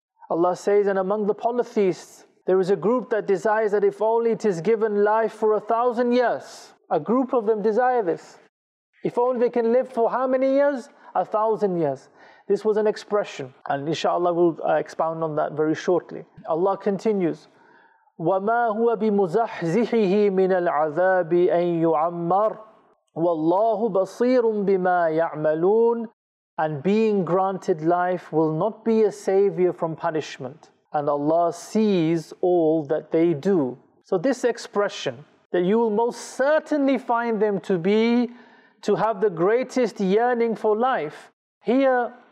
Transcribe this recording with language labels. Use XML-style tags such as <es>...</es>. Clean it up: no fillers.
<en>Allah says, and among the polytheists, there is a group that desires that if only it is given life for 1,000 years. A group of them desire this. If only they can live for how many years? 1,000 years. This was an expression. And inshallah, we'll expound on that very shortly.</en> <ar>Allah continues, وَمَا هُوَ بِمُزَحْزِحِهِ مِنَ الْعَذَابِ أَن يُعَمَّرُ وَاللَّهُ بَصِيرٌ بِمَا يَعْمَلُونَ.</ar> <en>And being granted life will not be a savior from punishment. And Allah sees all that they do. So this expression, that you will most certainly find them to have the greatest yearning for life. Here,</en>